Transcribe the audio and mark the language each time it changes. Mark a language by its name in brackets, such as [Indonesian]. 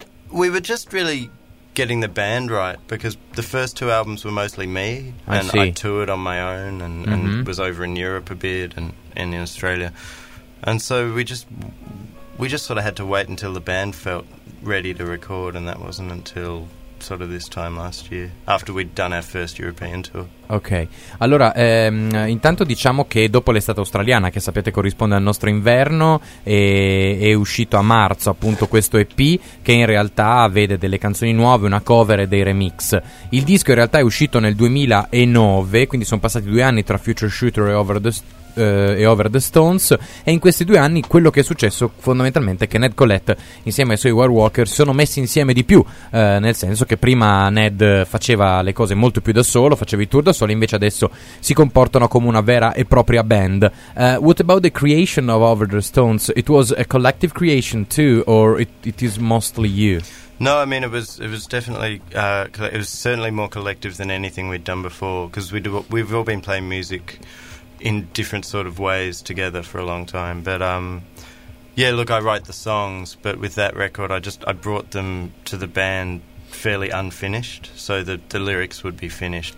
[English] We were just really getting the band right, because the first two albums were mostly me, and I toured on my own and was over in Europe a bit and in Australia, and so we just sort of had to wait until the band felt ready to record, and that wasn't until sort of this time last year, after we'd done our first European tour. [Italian] Ok, allora intanto diciamo che dopo l'estate australiana, che sapete corrisponde al nostro inverno, è uscito a marzo appunto questo EP, che in realtà vede delle canzoni nuove, una cover e dei remix. Il disco in realtà è uscito nel 2009, quindi sono passati 2 anni tra Future Shooter e Over the Stones, e in questi 2 anni quello che è successo fondamentalmente è che Ned Colette insieme ai suoi War Walkers sono messi insieme di più, nel senso che prima Ned faceva le cose molto più da solo, faceva i tour da solo, invece adesso si comportano come una vera e propria band. [English] What about the creation of Over the Stones? It was a collective creation too, or it is mostly you? No, I mean it was definitely it was certainly more collective than anything we'd done before, because we've all been playing music in different sort of ways together for a long time, but I write the songs, but with that record I brought them to the band fairly unfinished, so the lyrics would be finished.